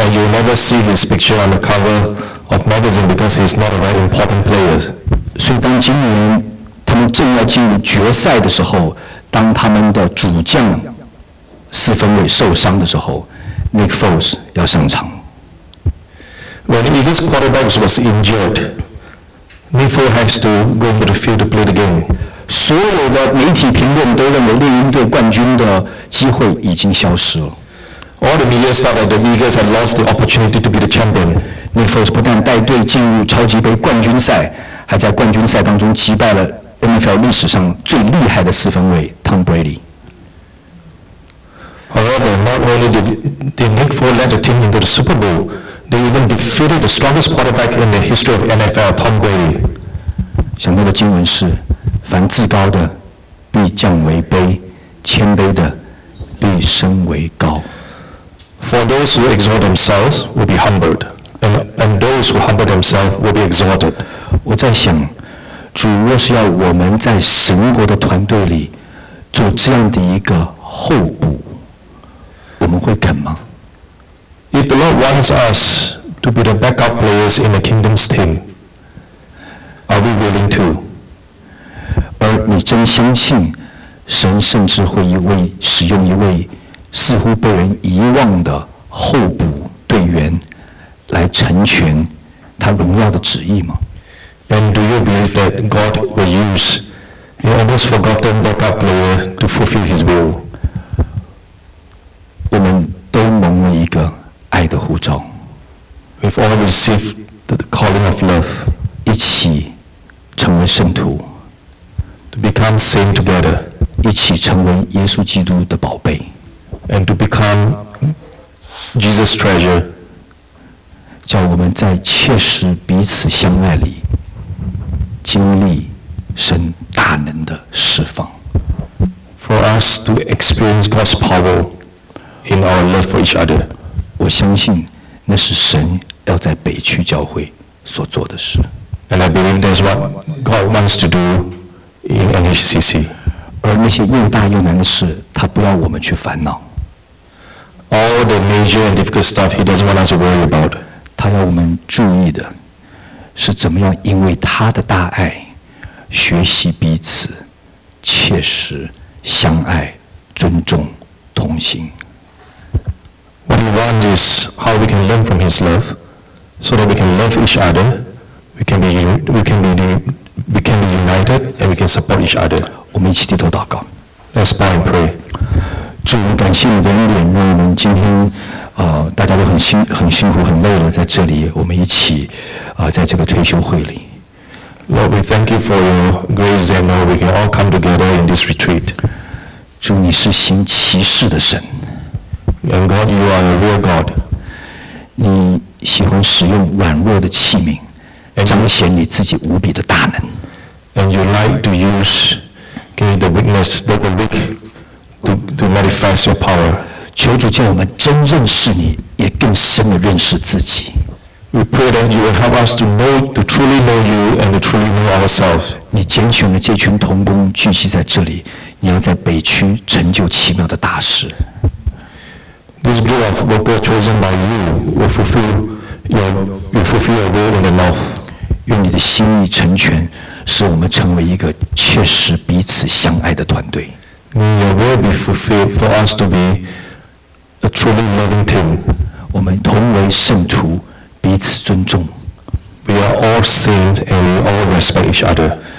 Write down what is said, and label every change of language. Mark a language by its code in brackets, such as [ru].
[en] And you'll never see his picture on the cover of magazine because he's not a very important player. [zh] 所以当今年他们正要进入决赛的时候，当他们的主将四分卫受伤的时候 ，Nick Foles 要上场。 [en] When the Eagles quarterback was injured, Nick Foles has to go to the field to play the game. [zh] 所有的媒体评论都认为猎鹰队冠军的机会已经消失了。 [en] All the media thought that the Eagles had lost the opportunity to be the champion. [zh] Nick Foles 不但带队进入超级杯冠军赛，还在冠军赛当中击败了 NFL 历史上最厉害的四分卫 Tom Brady。 [en] However, not only did Nick Foles lead the team into the Super Bowl, they even defeated the strongest quarterback in the history of NFL, Tom Brady. [zh] 想到的经文是：凡至高的必降为卑，谦卑的必升为高。 [en] For those who exalt themselves will be humbled, and those who humble themselves will be exalted. [zh] 我在想，主若是要我们在神国的团队里做这样的一个候补。我们会肯吗？ [en] If the Lord wants us to be the backup players in the kingdom's team, are we willing to? [zh] 而你真相信神甚至会一位使用一位似乎被人遗忘的候补队员来成全他荣耀的旨意吗？ [en] And do you believe that God will use an almost forgotten backup player to fulfill His will? [zh] 我们都蒙了一个爱的呼召。 [en] We've all received the calling of love. [zh] 一起成为圣徒。 [en] To become saint together. [zh] 一起成为耶稣基督的宝贝。 [en] And to become Jesus' treasure. [zh] 叫我们在切实彼此相爱里经历神大能的释放。 [en] For us to experience God's power. In our love for each other, [zh] 我相信那是神要在北区教会所做的事。 [en] And I believe that's what God wants to do in NHCC. [zh] 而那些又大又难的事，他不要我们去烦恼。 [en] All the major and difficult stuff, He doesn't want us to worry about. [zh] 他要我们注意的是怎么样因为他的大爱，学习彼此切实相爱、尊重、同行。 [en] What we want is how we can learn from His love, so that we can love each other, we can be united, and we can support each other. [zh] 我们一起低头祷告。 [en] Let's bow and pray. [zh] 主，感谢你的恩典，让我们今天，大家都很辛苦、很累了，在这里，我们一起，在这个退休会里。 [en] Lord, we thank you for your grace, and now we can all come together in this retreat. [zh] 主，你是行奇事的神。 [en] And God, you are a real God. [zh] 你喜欢使用软弱的器皿，彰显你自己无比的大能。 [en] And you like to use, okay, the weakness, the weak, to manifest your power. [zh] 求主叫我们真认识你，也更深的认识自己。 [en] We pray that you will help us to truly know you and to truly know ourselves. [zh] 你拣选了这群同工聚集在这里，你要在北区成就奇妙的大事。 [en] This group of workers chosen by you will fulfill your will in the north. [zh] 愿你的心意成全，使我们成为一个切实彼此相爱的团队。 [en] May your will be fulfilled for us to be a truly loving team. [zh] 我们同为圣徒，彼此尊重。 [en] We are all saints and we all respect each other.